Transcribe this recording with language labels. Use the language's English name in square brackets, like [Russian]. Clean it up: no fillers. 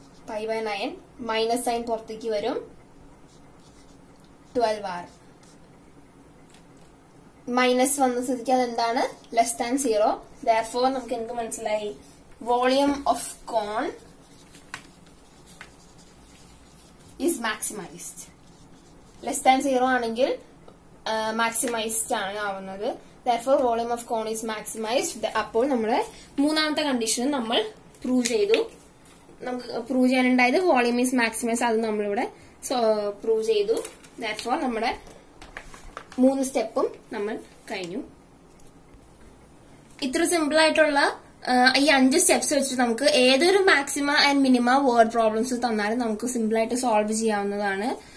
[Malayalam] Pi by nine minus sign പുറത്തേക്ക് വരും twelve R minus വന്ന സ്ഥിതിക്ക് അതെന്താണ് ലെസ് ദാൻ സീറോ. ദയർഫോർ നമുക്ക് എന്ത് മനസ്സിലായി? [English] Volume of cone is maximized. [Malayalam] Less than zero ആണെങ്കിൽ മാക്സിമൈസ്ഡ് ആണ് ആവുന്നത്. [English] Therefore, volume of cone is maximized. [Malayalam] അപ്പോൾ നമ്മുടെ മൂന്നാമത്തെ കണ്ടീഷൻ നമ്മൾ പ്രൂവ് ചെയ്തു. നമുക്ക് പ്രൂവ് ചെയ്യാനുണ്ടായത് [English] volume is maximized, [Malayalam] അത് നമ്മളിവിടെ പ്രൂവ് ചെയ്തു. [English] that's all, [Malayalam] നമ്മുടെ മൂന്ന് സ്റ്റെപ്പും നമ്മൾ കഴിഞ്ഞു. ഇത്ര സിമ്പിളായിട്ടുള്ള ഈ അഞ്ച് സ്റ്റെപ്സ് വെച്ചിട്ട് നമുക്ക് ഏതൊരു maxima and minima word problems തന്നാലും നമുക്ക് സിമ്പിളായിട്ട് സോൾവ് ചെയ്യാവുന്നതാണ്.